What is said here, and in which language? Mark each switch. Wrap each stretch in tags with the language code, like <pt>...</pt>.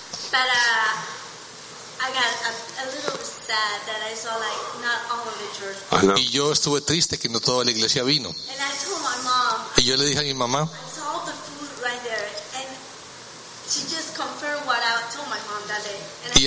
<en>Pero I got a little sad that I saw not all of the church.</en> <es>Y yo estuve triste que no toda la iglesia vino.</es> <en>And I told my mom.</en> <es>Y yo le dije a mi mamá.</es> <en>I saw the food right there, and she just confirmed what I told my mom that day.</en>